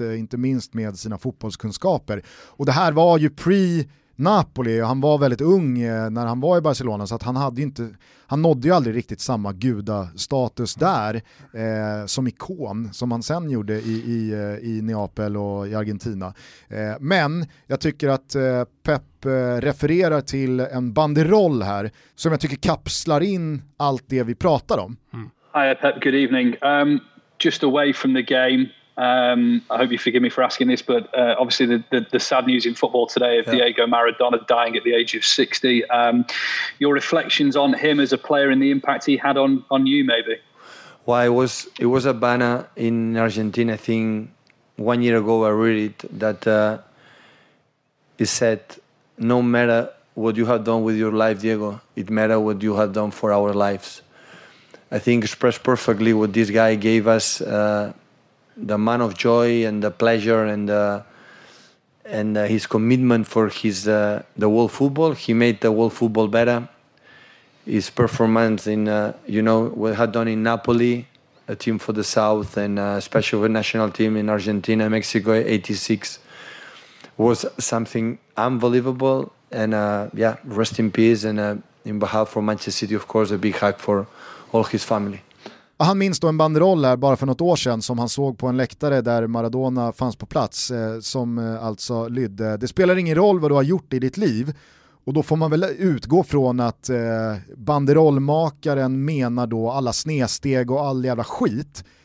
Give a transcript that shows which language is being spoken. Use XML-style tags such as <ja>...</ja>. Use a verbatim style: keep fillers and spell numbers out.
<sv>Inte minst med sina fotbollskunskaper. Och det här var ju pre- Napoli, han var väldigt ung när han var i Barcelona, så att han hade inte, han nådde ju aldrig riktigt samma gudastatus där eh, som ikon som han sen gjorde i, i, i Neapel och i Argentina. Eh, men jag tycker att eh, Pep eh, refererar till en banderoll här som jag tycker kapslar in allt det vi pratar om.</sv> <en>Mm. Hi Pep, good evening. Um, just away from the game. Um, I hope you forgive me for asking this, but uh, obviously the, the, the sad news in football today of yeah. Diego Maradona dying at the age of sixty. Um, your reflections on him as a player and the impact he had on, on you, maybe? Well, it was it was a banner in Argentina. I think one year ago I read it that uh, it said, "No matter what you have done with your life, Diego, it matters what you have done for our lives." I think expressed perfectly what this guy gave us. Uh, The man of joy and the pleasure and uh, and uh, his commitment for his uh, the world football. He made the world football better. His performance in uh, you know what had done in Napoli, a team for the South, and uh, especially the national team in Argentina, Mexico eighty-six, was something unbelievable. And uh, yeah, rest in peace. And uh, in behalf of Manchester City, of course, a big hug for all his family.</en> <sv>Han minns då en banderoll här bara för något år sedan som han såg på en läktare där Maradona fanns på plats eh, som eh, alltså lydde: det spelar ingen roll vad du har gjort i ditt liv. Och då får man väl utgå från att eh, banderollmakaren menar då alla snedsteg och all jävla skit.</sv>